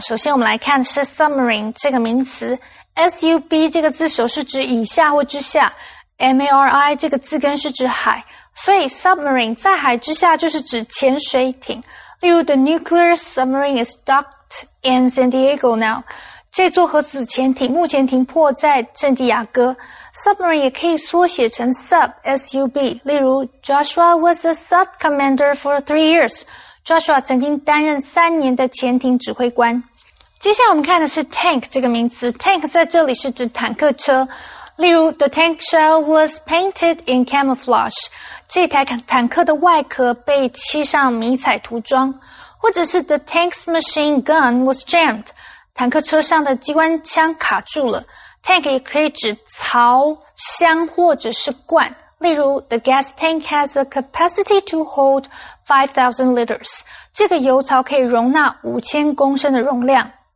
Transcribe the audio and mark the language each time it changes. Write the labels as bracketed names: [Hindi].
[Chinese] 首先我们来看是 submarine 这个名词。SUB 这个字首是指以下或之下。 MARI 这个字根是指海。所以 [English] submarine [Chinese] 在海之下就是指潜水艇。例如 [English] the nuclear submarine is docked in San Diego now. [Chinese] 这座核子潜艇目前停泊在圣地亚哥。 [English] Submarine [Chinese] 也可以缩写成 [English] Sub, S-U-B, [Chinese] 例如 [English] Joshua was a sub commander for 3 years. [Chinese] Joshua 曾经担任三年的潜艇指挥官。接下来我们看的是 tank 这个名词。 Tank 在这里是指坦克车。例如 [English] The tank shell was painted in camouflage. [Chinese] 这台坦克的外壳被漆上迷彩涂装。 [English] 或者是 The tank's machine gun was jammed. [Chinese] 坦克车上的机关枪卡住了。 [English] Tank [Chinese] 也可以指槽、箱或者是罐，例如 [English] The gas tank has a capacity to hold 5,000 liters. [Chinese] 这个油槽可以容纳5000公升的容量。